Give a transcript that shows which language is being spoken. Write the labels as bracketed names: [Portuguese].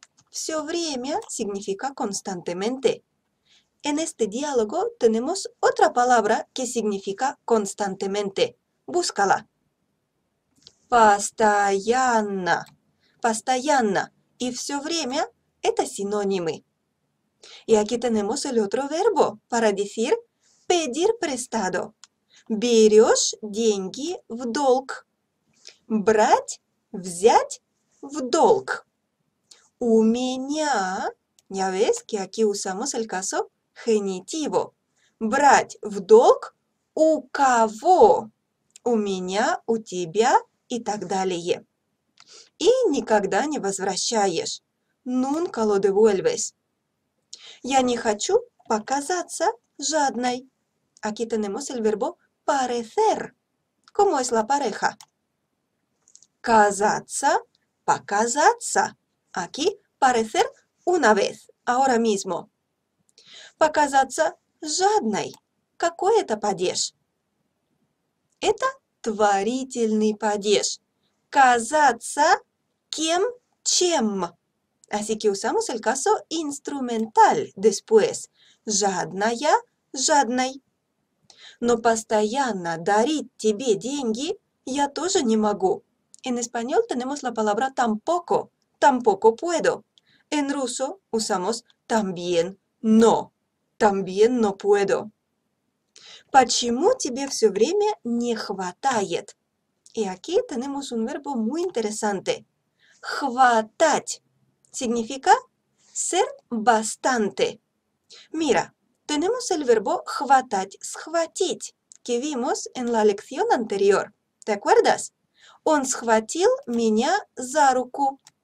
[Russian] Все время [Spanish] significa constantemente. En este diálogo tenemos otra palabra que significa constantemente. Búscala. [Russian] Постоянно. Постоянно. И все время это синонимы. [Spanish] Y aquí tenemos el otro verbo para decir pedir prestado. [Russian] Берешь деньги в долг. Брать, взять, В долг. У меня, [Spanish] ya ves que aquí usamos el caso genitivo. [Russian] Брать в долг у кого? У меня, у тебя и так далее. И никогда не возвращаешь. [Spanish] Nunca lo devuelves. [Russian] Я не хочу показаться жадной. [Spanish] Aquí tenemos el verbo parecer. ¿Cómo es la pareja? [Russian] Казаться, показаться. [Spanish] Aquí parecer una vez, ahora mismo. [Russian] Показаться жадной. Какой это падеж? Это творительный падеж. Казаться кем, чем. [Spanish] Así que usamos el caso instrumental después. [Russian] Жадная, жадной. Но постоянно дарить тебе деньги я тоже не могу. [Spanish] En español tenemos la palabra tampoco. Tampoco puedo. En ruso usamos también, no. También no puedo. [Russian] Почему тебе все время не хватает? [Spanish] Y aquí tenemos un verbo muy interesante. Хватать. Significa ser bastante. Mira, tenemos el verbo хватать, схватить, que vimos en la lección anterior. ¿Te acuerdas? [Russian] Он схватил меня за руку.